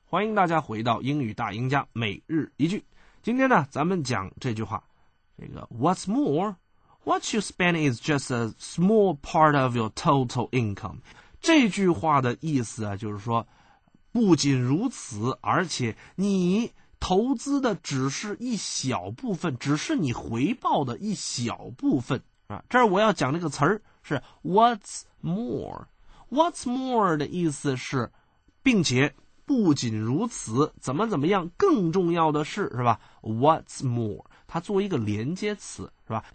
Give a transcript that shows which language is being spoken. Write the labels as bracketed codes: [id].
[zh] 欢迎大家回到英语大赢家每日一句。今天呢，咱们讲这句话。这个 [en] What's more, what you spend is just a small part of your total income. [zh] 这句话的意思啊，就是说，不仅如此，而且你投资的只是一小部分，只是你回报的一小部分啊。这儿我要讲这个词儿是 what's more。 What's more 的意思是，并且不仅如此，怎么怎么样，更重要的是，是吧 ？What's more， 它作为一个连接词，是吧？